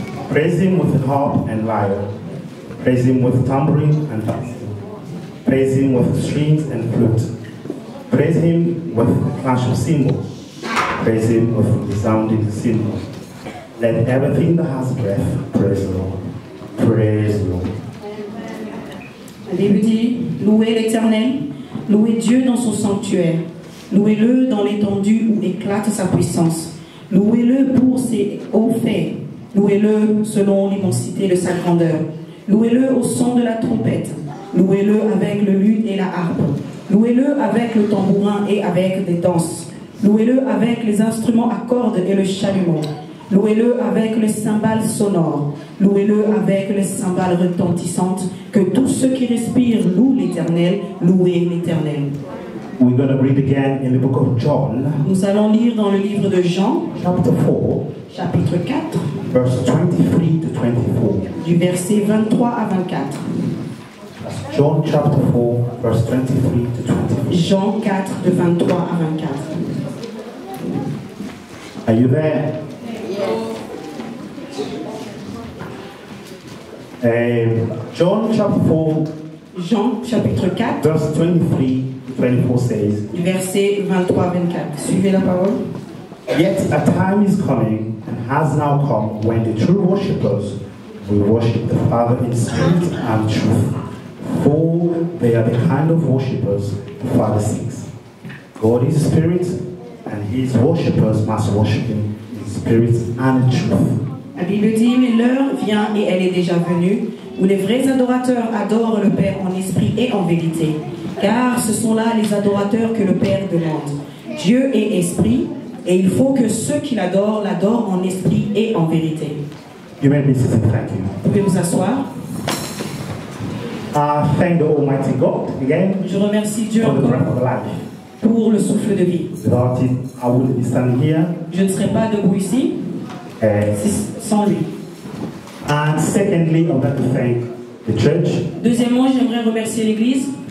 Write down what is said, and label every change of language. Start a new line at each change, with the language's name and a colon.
English: Praise him with harp and lyre. Praise him with tambourine and dancing. Praise him with strings and flute. Praise him with the clash of cymbals. Praise him with the sounding cymbal. Let everything that has breath praise the Lord. Praise the Lord. Amen.
French: Début dit, louez l'Éternel, louez Dieu dans son sanctuaire, louez-le dans l'étendue où éclate sa puissance, louez-le pour ses hauts faits, louez-le selon l'immensité de sa grandeur, louez-le au son de la trompette, louez-le avec le luth et la harpe, louez-le avec le tambourin et avec des danses, louez-le avec les instruments à cordes et le chalumeau. Louez-le avec les cymbales sonores. Louez-le avec les cymbales retentissantes. Que tous ceux qui respirent louent l'Éternel. Louez l'Éternel.
English: We're going to read again in the book of John.
French: Nous allons lire dans le livre de Jean.
English: Chapter 4.
French: Chapitre 4.
English: Verse 23 to 24.
French: Du verset 23 à 24.
English: John chapter 4, verse 23 to 24.
French: Jean 4, de 23 à 24.
English: Are you there? John chapter 4,
French: Jean chapitre 4,
English: verse 23-24 says,
French: verset 23-24, suivez la parole.
English: Yet a time is coming and has now come when the true worshippers will worship the Father in spirit and truth. For they are the kind of worshippers the Father seeks. God is spirit, and his worshippers must worship him. Spirit and truth.
French: La Bible dit, mais l'heure vient et elle est déjà venue, où les vrais adorateurs adorent le Père en esprit et en vérité, car ce sont là les adorateurs que le Père demande. Dieu est esprit, et il faut que ceux qui l'adorent l'adorent en esprit et en vérité.
English: You may be seated, thank you.
French: Vous pouvez vous asseoir.
English: Thank the Almighty God again.
French: Je remercie Dieu
English: for the breath of life.
French: Pour le souffle de vie.
English: Without it, I wouldn't be standing here.
French: je ne serais pas debout ici sans lui.
English: And secondly, I'd like to thank the church.
French: Deuxièmement, j'aimerais remercier l'église.